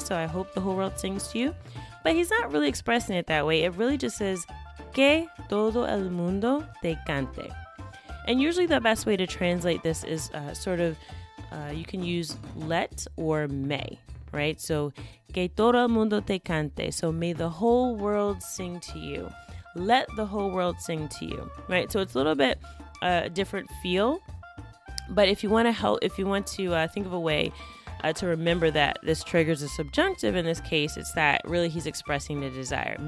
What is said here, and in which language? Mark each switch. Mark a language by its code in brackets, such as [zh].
[en] So I hope the whole world sings to you. But he's not really expressing it that way. It really just says [es] que todo el mundo te cante. [en] And usually the best way to translate this is you can use let or may, right? [es] So que todo el mundo te cante. [en] So may the whole world sing to you. Let the whole world sing to you, right? So it's a little bit different feel, but if you want to think of a way to remember that this triggers a subjunctive in this case, it's that really he's expressing the desire.